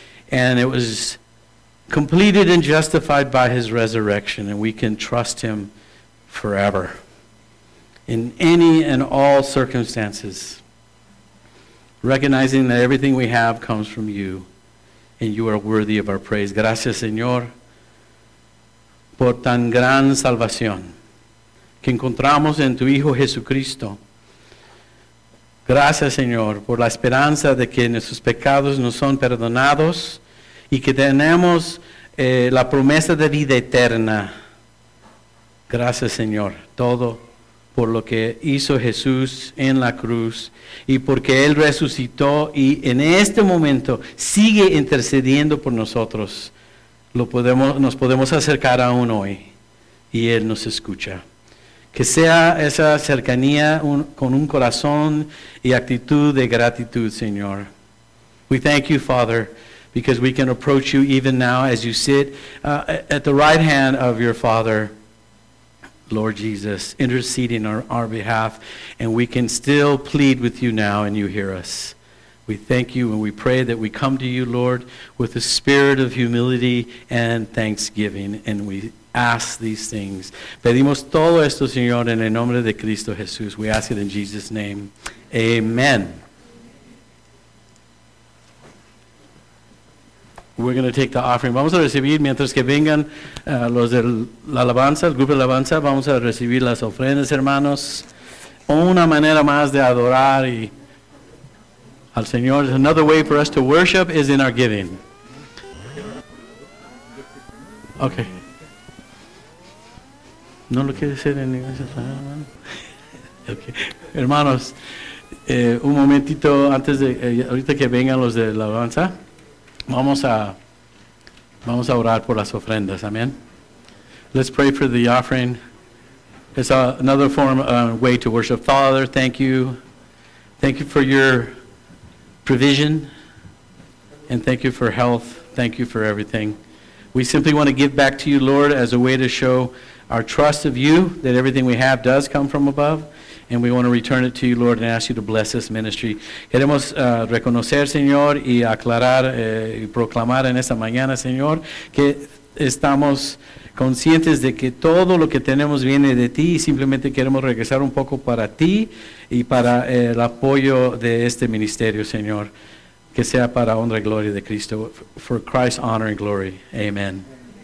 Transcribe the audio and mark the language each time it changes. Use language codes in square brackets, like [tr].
[en] And it was completed and justified by His resurrection, and we can trust Him forever in any and all circumstances, recognizing that everything we have comes from You, and You are worthy of our praise. [es] Gracias, Señor, por tan gran salvación que encontramos en Tu Hijo Jesucristo. Gracias, Señor, por la esperanza de que nuestros pecados nos son perdonados y que tenemos la promesa de vida eterna. Gracias, Señor, todo por lo que hizo Jesús en la cruz y porque Él resucitó y en este momento sigue intercediendo por nosotros. Nos podemos acercar aún hoy y Él nos escucha. Que sea esa cercanía con un corazón y actitud de gratitud, Señor. [en] We thank You, Father, because we can approach You even now as You sit at the right hand of Your Father, Lord Jesus, interceding on our behalf, and we can still plead with You now and You hear us. We thank You and we pray that we come to You, Lord, with a spirit of humility and thanksgiving, and we ask these things. [es] Pedimos todo esto, Señor, en el nombre de Cristo Jesús. [en] We ask it in Jesus' name. Amen. We're going to take the offering. [es] Vamos a recibir, mientras que vengan los de la alabanza, el grupo de alabanza, vamos a recibir las ofrendas, hermanos. Una manera más de adorar y al Señor. [en] Another way for us to worship is in our giving. Okay. [es] No lo quiere hacer en iglesia. Okay. Hermanos, un momentito antes de, ahorita que vengan los de la alabanza, vamos a orar por las ofrendas, amén. [en] Let's pray for the offering. It's another form, way to worship. Father, thank You. Thank You for Your provision. And thank You for health. Thank You for everything. We simply want to give back to You, Lord, as a way to show our trust of You, that everything we have does come from above. And we want to return it to you, Lord, and ask you to bless this ministry. [es] Queremos reconocer, Señor, y aclarar y proclamar en esta mañana, Señor, que estamos conscientes de que todo lo que tenemos viene de ti y simplemente queremos regresar un poco para ti y para el apoyo de este ministerio, Señor. Que sea para honra y gloria de Cristo. [en] For Christ's honor and glory. Amen.